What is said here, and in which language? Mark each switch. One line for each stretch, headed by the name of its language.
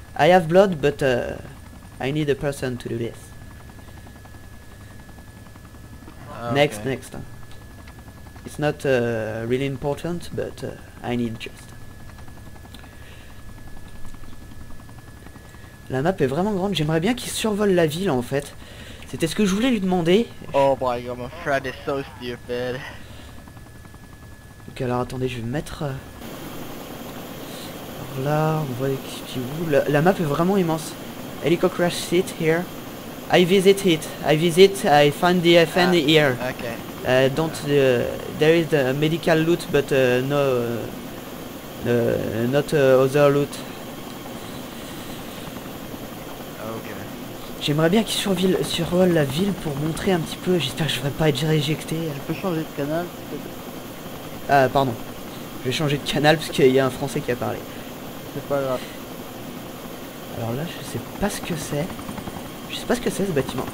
English: I have blood, but I need a person to do this. Next, okay. Next. It's not really important, but I need just.
French: La map est vraiment grande. J'aimerais bien qu'il survole la ville, en fait. C'était ce que je voulais lui demander.
English: Oh my god, my friend is so stupid.
French: Ok, alors attendez, je vais me mettre. Alors là, on voit qui où. La map est vraiment immense.
English: Helico crash site here. I visit it, I find the FN here. Okay. There is the medical loot, but not other loot. Okay.
French: J'aimerais bien qu'il survole la ville pour montrer un petit peu. J'espère que je vais pas être éjecté. Tu peux changer de canal? Ah, pardon. Je vais changer de canal parce qu'il y a un français qui a parlé. C'est pas grave. Alors là, je sais pas ce que c'est. Je sais pas ce que c'est ce bâtiment.